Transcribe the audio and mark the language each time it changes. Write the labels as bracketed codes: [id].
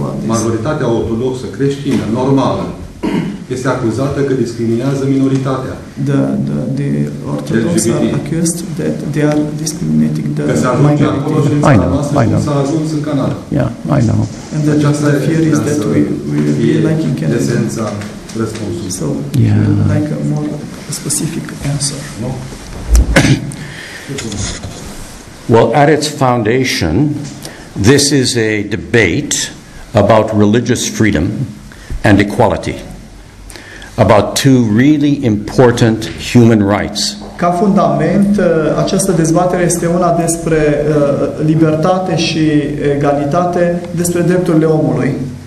[ro] Majoritatea ortodoxă, creștină, normală, este acuzată că discriminează minoritatea. [en] The Orthodox are accused that they are discriminating the minority. [ro] S-a ajuns în Canada. [en] Yeah, I know. And the fear is that we will be like in Canada. [ro] Esența răspunsului. [en] So, yeah. Like a more specific answer. No. Well, at its foundation, this is a debate about religious freedom and equality, about two really important human rights. [ro] Ca fundament, această dezbatere este una despre libertate și egalitate, despre drepturile omului.